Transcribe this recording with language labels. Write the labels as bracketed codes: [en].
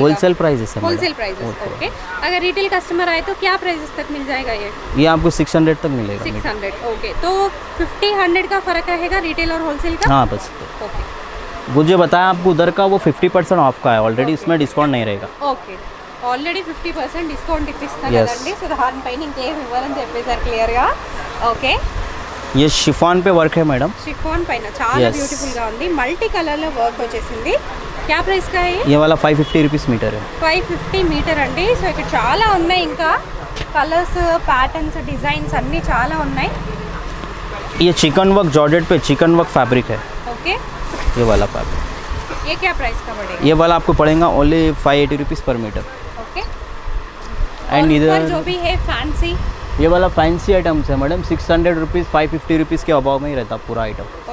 [hi] wholesale prices है wholesale prices okay अगर retail customer आए तो क्या प्राइसेस तक मिल जाएगा ये आपको 600 तक मिलेगा 600 ओके तो 50-100 का फर्क रहेगा रिटेल और होलसेल का हाँ बस ओके वो जो बताया आपको उधर का वो 50% ऑफ का है ऑलरेडी इसमें डिस्काउंट नहीं रहेगा [en] okay already 50% discount [te] ఇస్తారు కదండి సో దాని పైన ఇంకే వివరణ చెప్పేసారు క్లియర్ గా ఓకే [hi] ये शिफॉन पे वर्क है मैडम [te] शिफॉन पैन चाला ब्यूटीफुल గా ఉంది మల్టీ కలర్ లో వర్క్ వచ్చేసింది [hi] क्या प्राइस का है ये वाला 550 रुपीस मीटर है [te] 550 मीटर అండి సో ఇక్కడ చాలా ఉన్నాయి ఇంకా కలర్స్ ప్యాటర్న్స్ డిజైన్స్ అన్ని చాలా ఉన్నాయి [hi] ये चिकन वर्क जॉर्जेट पे चिकन वर्क फैब्रिक है ओके ये वाला पैक ये क्या प्राइस का पड़ेगा ये वाला आपको पड़ेगा ओनली 580 रुपीस पर मीटर ओके एंड इधर जो भी है फैंसी ये वाला फैंसी आइटम्स है मैडम 600 रुपीज़ 550 रुपीज़ के अभाव में ही रहता पूरा आइटम